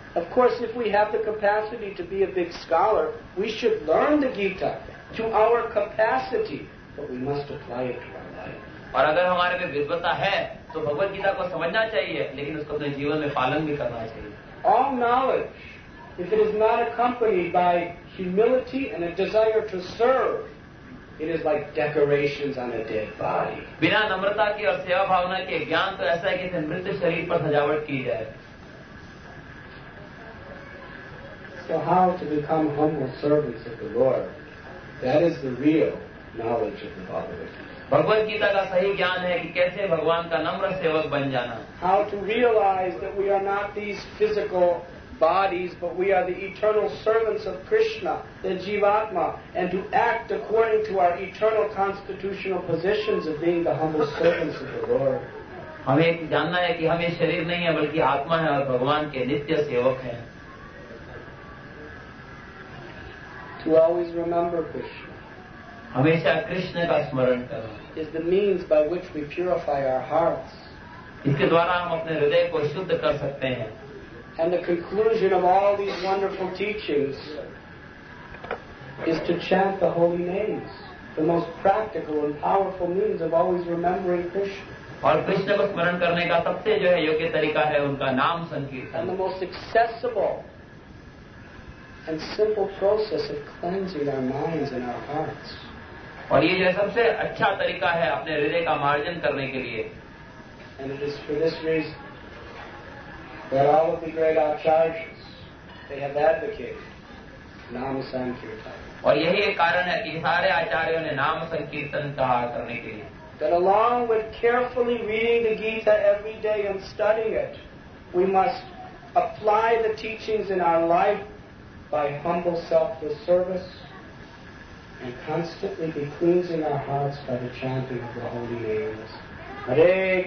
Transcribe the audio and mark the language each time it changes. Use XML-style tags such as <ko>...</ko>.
<en>Of course, if we have the capacity to be a big scholar, we should learn the Gita to our capacity, but we must apply it to our life.</en> <hi>और अगर हमारे में विद्वता है तो भगवत गीता को समझना चाहिए, लेकिन उसको अपने जीवन में पालन भी करना चाहिए.</hi> <en>All knowledge, if it is not accompanied by humility and a desire to serve, it is like decorations on a dead body.</en> <hi>बिना नम्रता की और सेवा भावना के ज्ञान तो ऐसा है कि मृत शरीर पर सजावट की जाए.</hi> <en>So how to become humble servants of the Lord? That is the real knowledge of the Bhagavad Gita.</en> <hi>Bhagavad Gita का सही ज्ञान है कि कैसे भगवान का नम्र सेवक बन जाना.</hi> <en>How to realize that we are not these physical bodies, but we are the eternal servants of Krishna, the Jivatma, and to act according to our eternal constitutional positions of being the humble servants of the Lord.</en> <hi>हमें जानना है कि हम ये शरीर नहीं है बल्कि आत्मा है और भगवान के नित्य सेवक हैं.</hi> <en>To always remember Krishna.</en> <hi>हमेशा कृष्ण का स्मरण करना.</hi> <en>Is the means by which we purify our hearts.</en> <hi>इसके द्वारा हम अपने हृदय को शुद्ध कर सकते हैं.</hi> <en>And the conclusion of all these wonderful teachings is to chant the holy names, the most practical and powerful means of always remembering Krishna.</en> <hi>और कृष्ण को स्मरण करने का सबसे जो है योग्य तरीका है उनका नाम संकीर्तन.</hi> <en>And the most accessible and simple process of cleansing our minds and our hearts.</en> <hi>और ये जो है सबसे अच्छा तरीका है अपने हृदय का मार्जन करने के लिए.</hi> <en>And it is for this reason that all of the great acharyas, they have advocated Nam Sankirtan.</en> <hi>और यही एक कारण है कि सारे आचार्यों ने नाम संकीर्तन कहा करने के लिए.</hi> <en>That along with carefully reading the Gita every day and studying it, we must apply the teachings in our life by humble selfless service and constantly be cleansing our hearts by the chanting of the holy names.</en>